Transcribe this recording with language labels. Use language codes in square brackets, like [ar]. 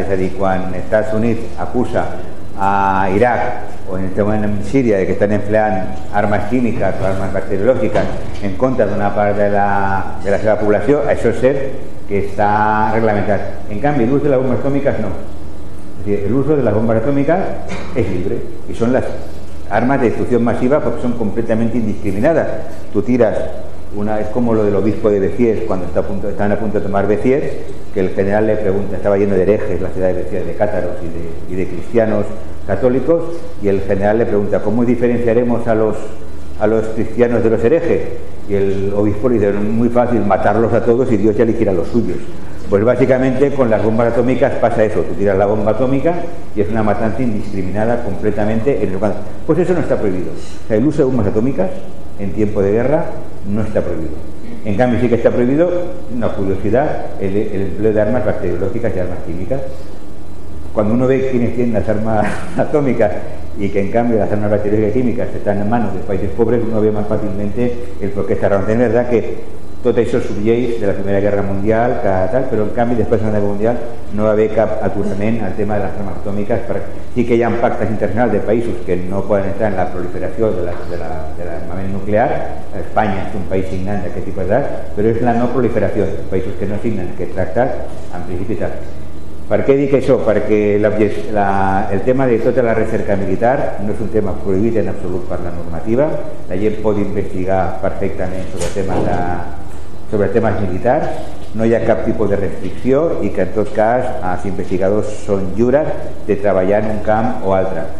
[ca] És a dir, quan els Estats Units acusa a Iraq o en aquest moment a Síria que estan empleant armes químiques o armes bacteriològiques en contra d'una part de la seva població, això és cert que està reglamentat. En canvi, l'ús de les bombes atòmiques no. És a dir, l'ús de les bombes atòmiques és lliure i són les [es] armas de destrucción masiva, porque son completamente indiscriminadas. Tú tiras una, es como lo del obispo de Béziers, cuando están a punto de tomar Béziers, que el general le pregunta, estaba lleno de herejes la ciudad de Béziers, de cátaros y de cristianos católicos, y el general le pregunta, ¿cómo diferenciaremos a los cristianos de los herejes? Y el obispo le dice, muy fácil, matarlos a todos y Dios ya elegirá los suyos. Pues básicamente con las bombas atómicas pasa eso, tú tiras la bomba atómica y es una matanza indiscriminada completamente en el cuadro. Pues eso no está prohibido. O sea, el uso de bombas atómicas en tiempo de guerra no está prohibido. En cambio sí que está prohibido, una curiosidad, el empleo de armas bacteriológicas y armas químicas. Cuando uno ve quiénes tienen las armas atómicas y que en cambio las armas bacteriológicas y químicas están en manos de países pobres, uno ve más fácilmente el por qué está raro. Es verdad que [ca] tot això subjeix de la Primera Guerra Mundial, tal, però en canvi després de la Segona Guerra Mundial no va haver cap aturament al tema de les armes atòmiques. Sí que hi ha pactes internacionals de països que no poden entrar en la proliferació de l'armament nuclear. Espanya és un país signant d'aquest tipus d'edat, però és la no proliferació, països que no signen aquest tractat, en principi tal. [es] ¿Por qué dije eso? Porque el tema de toda la recerca militar no es un tema prohibido en absoluto por la normativa. La gente puede investigar perfectamente sobre temas de, sobre temas militares. No hay cap tipo de restricción y que en todo caso los investigadores son lliures de trabajar en un camp o otro.